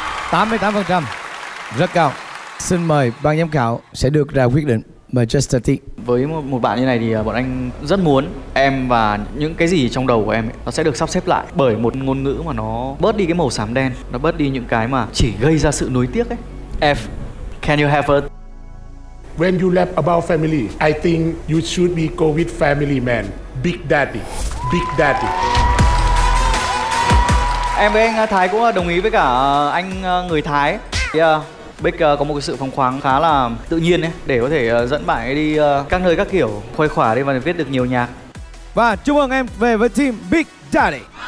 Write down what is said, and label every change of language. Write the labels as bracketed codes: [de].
[vi] Tám mươi tám phần trăm, rất cao. Xin mời ban giám khảo sẽ được ra quyết định. Mời Justin. Với một bạn như này thì bọn anh rất muốn em và những cái gì trong đầu của em ấy, nó sẽ được sắp xếp lại bởi một ngôn ngữ mà nó bớt đi cái màu xám đen, nó bớt đi những cái mà chỉ gây ra sự nuối tiếc ấy. [en] F, can you have a... When you laugh about family, I think you should be go with family man. Big Daddy, Big Daddy. [vi] Em với anh Thái cũng đồng ý với cả anh người Thái. Yeah. Big có một cái sự phóng khoáng khá là tự nhiên ấy, để có thể dẫn bạn ấy đi các nơi các kiểu, khuây khỏa đi và viết được nhiều nhạc. Và chúc mừng em về với team Big Daddy.